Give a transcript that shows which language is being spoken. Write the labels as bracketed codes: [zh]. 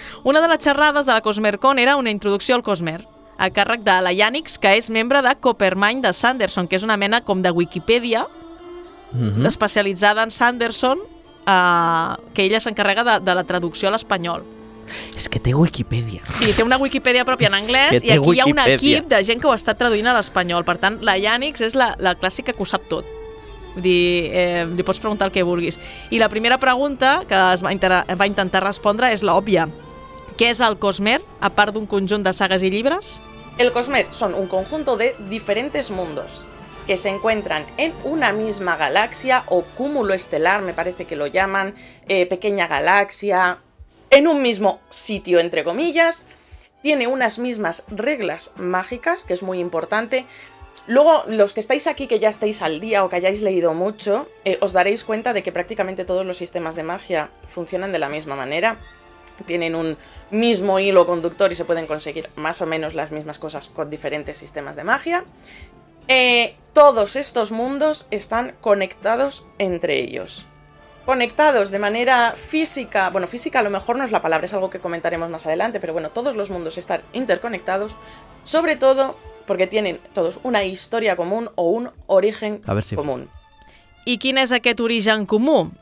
[ca] Una de les xerrades de la CosmerCon era una introducció al Cosmer, a càrrec de la Yannix, que és membre de Coppermine de Sanderson, que és una mena com de Wikipedia... Mm-hmm. Especialitzada en Sanderson, que ella s'encarrega de la traducció a l'espanyol. És que té Wikipedia. Sí, té una Wikipedia pròpia en anglès i aquí Wikipedia. Hi ha un equip de gent que ho està traduint a l'espanyol. Per tant, la Yannix és la clàssica que ho sap tot. Li pots preguntar el que vulguis. I la primera pregunta que es va intentar respondre és l'òbvia. Què és el Cosmer, a part d'un conjunt de sagues i llibres? [es] El Cosmer són un conjunto de diferents mundos que se encuentran en una misma galaxia o cúmulo estelar, me parece que lo llaman, pequeña galaxia, en un mismo sitio, entre comillas, tiene unas mismas reglas mágicas, que es muy importante. Luego, los que estáis aquí, que ya estáis al día o que hayáis leído mucho, os daréis cuenta de que prácticamente todos los sistemas de magia funcionan de la misma manera. Tienen un mismo hilo conductor y se pueden conseguir más o menos las mismas cosas con diferentes sistemas de magia. Todos estos mundos están conectados entre ellos. Conectados de manera física, bueno, física a lo mejor no es la palabra, es algo que comentaremos más adelante, pero bueno, todos los mundos están interconectados, sobre todo porque tienen todos una historia común o un origen común. [ca] I quin és aquest origen comú?